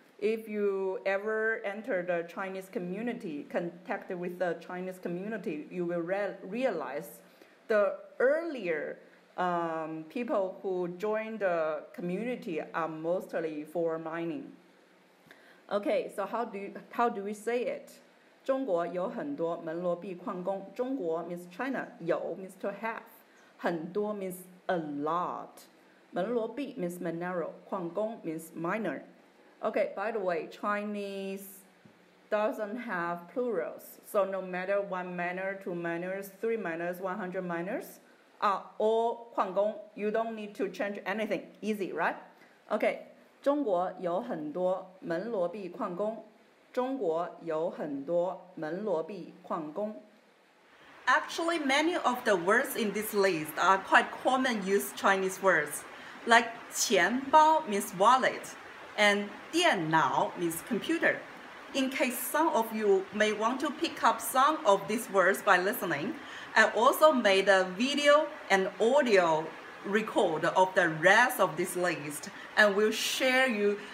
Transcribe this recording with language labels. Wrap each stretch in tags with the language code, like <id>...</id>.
<en>If you ever enter the Chinese community, contact with the Chinese community, you will realize the earlier people who joined the community are mostly for mining. Okay, so how do we say it?</en> <zh>中国有很多门罗币矿工。</zh> <en>中国 means China, 有 means to have. 很多 means a lot. 门罗币 means Monero, 矿工 means miner. Okay, by the way, Chinese doesn't have plurals. So no matter one miner, two miners, three miners, 100 miners, are all 矿工. You don't need to change anything. Easy, right? Okay,</en> <zh>中国有很多门罗币矿工。中国有很多门罗币矿工。</zh> <en>Actually, many of the words in this list are quite common used Chinese words, like 钱包 means wallet, and 电脑 means computer. In case some of you may want to pick up some of these words by listening, I also made a video and audio record of the rest of this list, and we'll share you.</en>